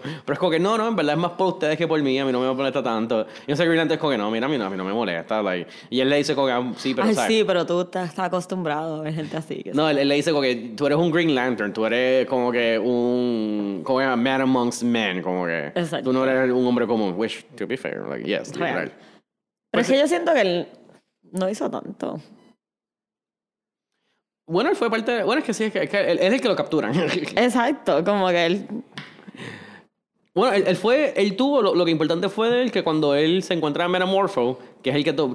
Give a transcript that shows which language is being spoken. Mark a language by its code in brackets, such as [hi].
[es] Pero es como que, no, en verdad es más por ustedes que por mí. A mí no me molesta tanto. Y ese Green Lantern es como que, a mí no me molesta. Like. Y él le dice, como que, sí, pero. Ay, ¿sabes? Sí, pero tú estás acostumbrado a ver gente así. Que no, él le dice, como que tú eres un Green Lantern. Tú eres como que un [en] man amongst men. [es] Como que. Exacto. Tú no eres un hombre común. [en] Which, to be fair, like, yes, literal. [es] Pero pues, es que yo siento que él no hizo tanto. Bueno, él fue parte de... Bueno, es que sí, es que él es el que lo capturan. Exacto, como que él... Bueno, él fue... Él tuvo... Lo que importante fue de él, que cuando él se encuentra en Metamorpho, que es el que...